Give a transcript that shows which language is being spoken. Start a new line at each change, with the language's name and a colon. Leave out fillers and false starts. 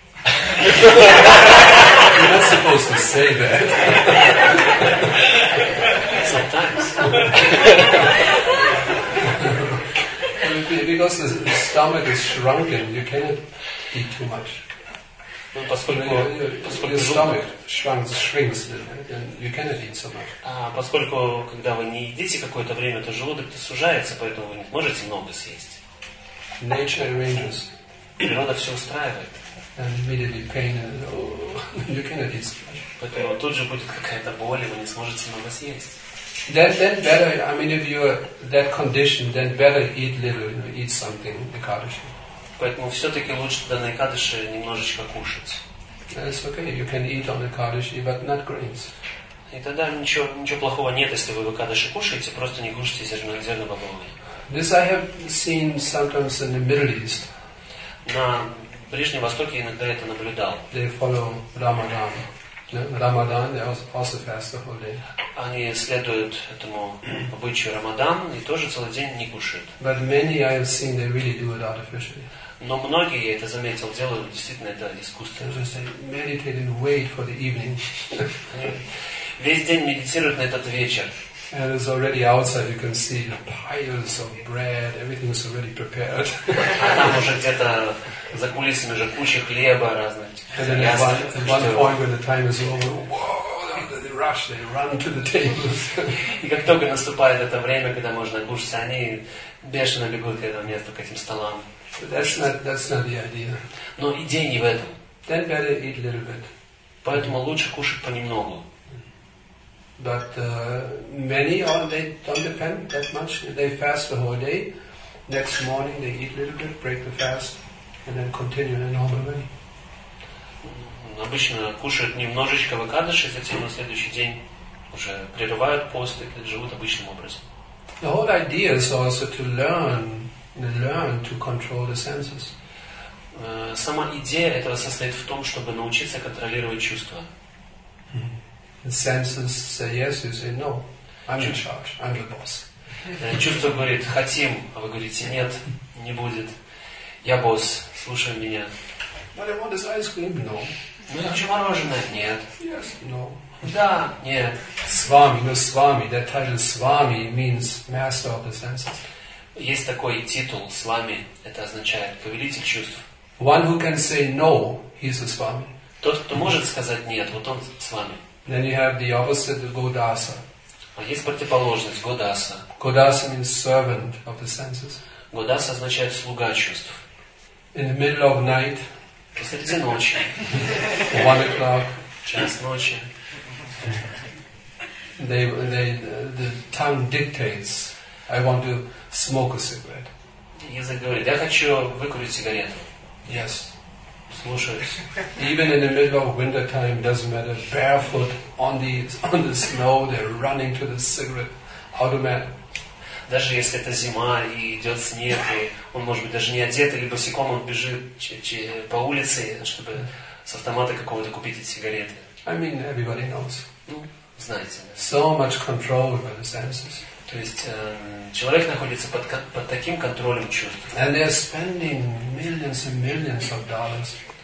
English: You're not supposed to say that. Sometimes. Because the stomach is shrunken, you cannot eat too much.
Russian: Поскольку когда вы не едите какое-то время, то желудок-то сужается, поэтому вы не можете много съесть.
English: Nature arranges.
Russian: Природа все устраивает.
English: And immediately pain and, oh, you cannot eat so much.
Russian: Поэтому тут же будет какая-то боль, и вы не сможете много съесть.
English: Then better, I mean, if you're that condition, then better eat little, you know, eat something, Ekadashi.
Russian: Поэтому все-таки лучше тогда на Экадыши немножечко кушать.
English: It's okay, you can eat on Экадыши, but not grains.
Russian: И тогда ничего плохого нет, если вы в Экадыши кушаете, просто не кушайте зерно-бобовые.
English: This I have seen sometimes in the Middle East.
Russian: На Ближнем Востоке иногда это наблюдал.
English: They follow Ramadan. Ramadan, they also fast the whole day.
Russian: Они следуют этому обычаю Рамадан и тоже целый день не кушают.
English: But many I have seen they really do it artificially.
Russian: Но многие, я это заметил, делают действительно это искусственно.
English: They just meditate and wait for the evening.
Russian: Весь день медитируют на этот вечер.
English: And it's already outside, you can see piles of bread, everything is already prepared.
Russian: А там уже где-то за кулисами уже куча хлеба разных.
English: And then at one point when the time is over, whoa, they rush, they run to the tables.
Russian: И как только наступает это время, когда можно кушать, они бешено бегут к этому месту, к этим столам.
English: That's not the idea.
Russian: Но идея не в этом.
English: Then better eat a little bit.
Russian: Поэтому лучше кушать понемногу.
English: But many are, they don't depend that much. They fast the whole day. Next morning they eat a little bit, break the fast, and then continue in a normal way.
Russian: обычно кушают немножечко выкадыши, затем на следующий день уже прерывают пост и живут обычным образом.
English: The whole idea is also to learn to control the senses.
Russian: Сама идея этого состоит в том, чтобы научиться контролировать чувства.
English: The senses say yes, you say no. I'm in charge. I'm the boss.
Russian: Чувство говорит «хотим», а вы говорите «нет, не будет». Я босс, слушай меня.
English: But I want this ice cream. No.
Russian: Ну, я хочу мороженое. Нет.
English: Yes. No.
Russian: Да. Нет. Свами, но свами.
English: That title свами means master of the senses.
Russian: Есть такой титул свами. Это означает повелитель чувств.
English: One who can say no, he's a свами.
Russian: Тот, кто может сказать нет, вот он свами.
English: Then you have the opposite, Godasa.
Russian: А есть противоположность, Godasa.
English: Godasa means servant of the senses.
Russian: Godasa означает слуга чувств.
English: In the middle of night.
Russian: Посреди ночи.
English: 1 o'clock.
Russian: Час ночи.
English: The tongue dictates. I want to smoke a cigarette.
Russian: Язык говорит, я хочу выкурить сигарету.
English: Yes.
Russian: Слушаюсь.
English: Even in the middle of winter time, doesn't matter. Barefoot on the snow, they're running to the cigarette automat.
Russian: Даже если это зима и идет снег, и он может быть даже не одет или босиком, он бежит по улице, чтобы с автомата какого-то купить эти сигареты.
English: I mean, everybody knows.
Russian: Ну, знаете.
English: So much control by the senses.
Russian: То есть человек находится под таким контролем чувств.
English: And they're spending millions and millions of dollars.